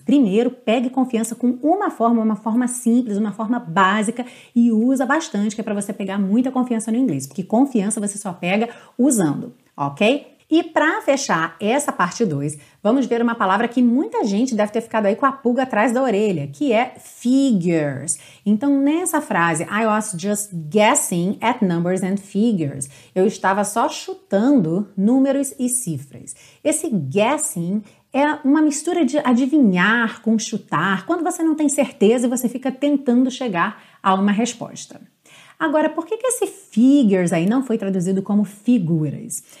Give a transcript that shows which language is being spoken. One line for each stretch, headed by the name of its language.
Portuguese: Primeiro, pegue confiança com uma forma simples, uma forma básica e usa bastante, que é para você pegar muita confiança no inglês, porque confiança você só pega usando, ok? E para fechar essa parte 2, vamos ver uma palavra que muita gente deve ter ficado aí com a pulga atrás da orelha, que é figures. Então, nessa frase,
English: I was just guessing at numbers and figures.
Portuguese: Eu estava só chutando números e cifras. Esse guessing é uma mistura de adivinhar com chutar, quando você não tem certeza e você fica tentando chegar a uma resposta. Agora, por que esse figures aí não foi traduzido como figuras?